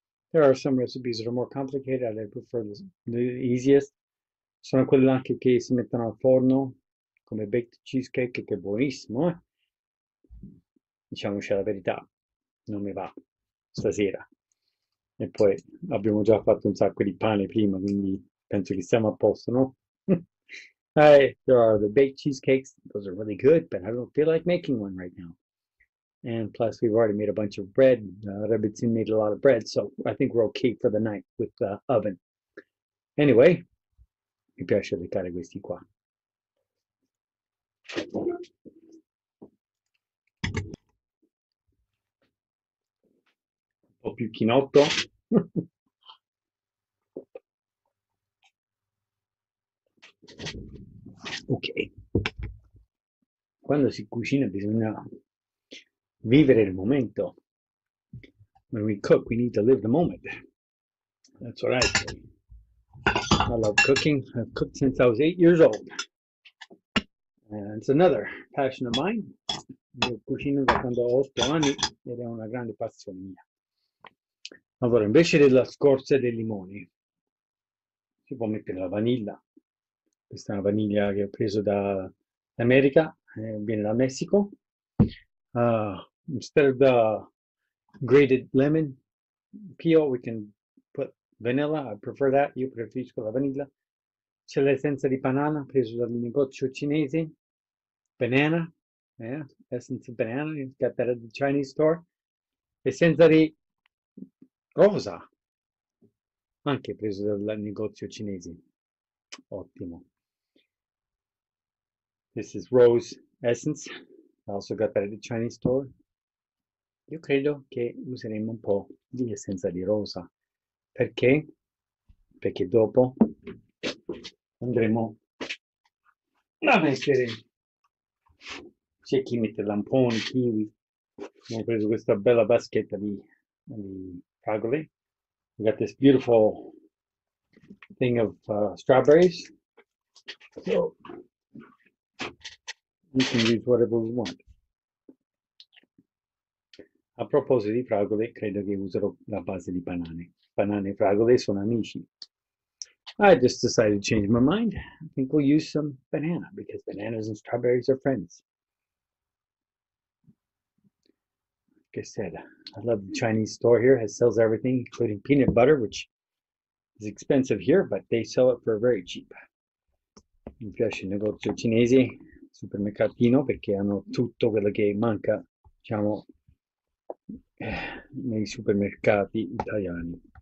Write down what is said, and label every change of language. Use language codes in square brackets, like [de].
[en] There are some recipes that are more complicated, I prefer the easiest. [it] Sono quelle anche che si mettono al forno, come baked cheesecake, che è buonissimo, diciamoci la verità, non mi va stasera. E poi abbiamo già fatto un sacco di pane prima, quindi penso che siamo a posto, no? [en] There are the baked cheesecakes. Those are really good, but I don't feel like making one right now. And plus, we've already made a bunch of bread. Rebbitzin made a lot of bread, so I think we're okay for the night with the oven. [it] Anyway, mi piace le cose queste qua. Un po' più chinotto. Ok, quando si cucina bisogna vivere il momento. [en] When we cook, we need to live the moment. That's what I say. I love cooking. I've cooked since I was 8 years old. And it's another passion of mine. [it] Io cucino da quando ho 8 anni ed è una grande passione mia. Allora, invece della scorza del limone, si può mettere la vaniglia. Questa è una vaniglia che ho preso dall'America, viene dal Messico. [en] Instead of the grated lemon peel, we can put vanilla. I prefer that. [it] Io preferisco la vaniglia. C'è l'essenza di banana, preso dal negozio cinese. [en] Banana, essence of banana. You got that at the Chinese store. [it] Essenza di rosa, anche preso dal negozio cinese. Ottimo. [en] This is rose essence. I also got that at the Chinese store. [it] Io credo che useremo un po' di essenza di rosa. Perché? Perché dopo andremo a mettere. C'è chi mette lamponi, kiwi. Abbiamo preso questa bella vaschetta di fragole. [en] We got this beautiful thing of strawberries. So, you can use whatever you want. [it] A proposito di fragole, credo che userò la base di banane. Banane e fragole sono amici. [en] I just decided to change my mind. I think we'll use some banana because bananas and strawberries are friends. Like I said, I love the Chinese store here. It sells everything, including peanut butter, which is expensive here, but they sell it for very cheap. [it] Mi piace il negozio cinese. Supermercatino perché hanno tutto quello che manca, diciamo, nei supermercati italiani.